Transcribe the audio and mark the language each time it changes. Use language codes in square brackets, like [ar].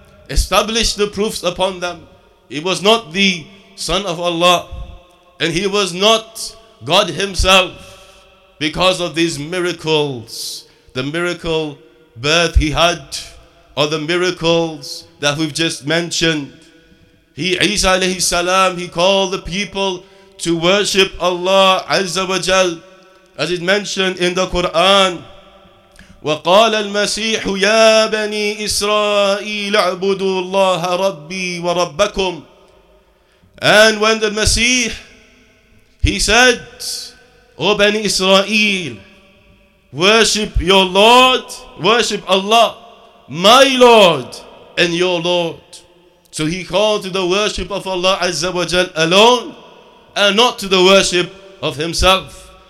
[en] Establish the proofs upon them. He was not the son of Allah, and he was not God himself, because of these miracles, the miracle birth he had, or the miracles that we've just mentioned. He, Isa alayhi salam, he called the people to worship Allah Azza wa Jal, as it mentioned in the Quran. [ar] وقال المسيح يا بني إسرائيل اعبدوا الله ربي وربكم. [en] And when the Messiah, he said, O Bani Israel, worship your Lord, worship Allah, my Lord and your Lord. So he called to the worship of Allah Azza wa Jal alone, and not to the worship of himself.